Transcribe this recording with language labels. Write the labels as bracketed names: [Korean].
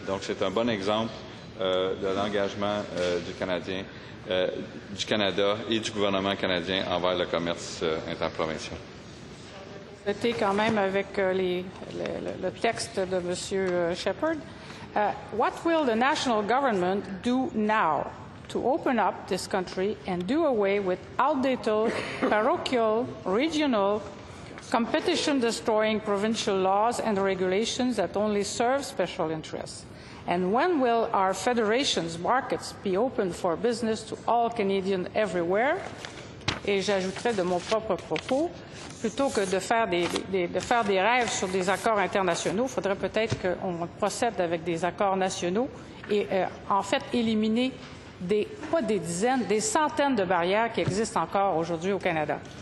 [French] Donc, c'est un bon exemple de l'engagement du Canada et du gouvernement canadien envers le commerce interprovincial. C'était quand même avec le texte de M. Shepherd. [English] What will the national government do now to open up this country and do away with outdated, parochial, regional, competition-destroying provincial laws and regulations that only serve special interests? And when will our federation's markets be open for business to all Canadians everywhere? [French] Et j'ajouterai de mon propre propos, plutôt que de faire des rêves sur des accords internationaux, il faudrait peut-être qu'on procède avec des accords nationaux et en fait éliminer des centaines de barrières qui existent encore aujourd'hui au Canada.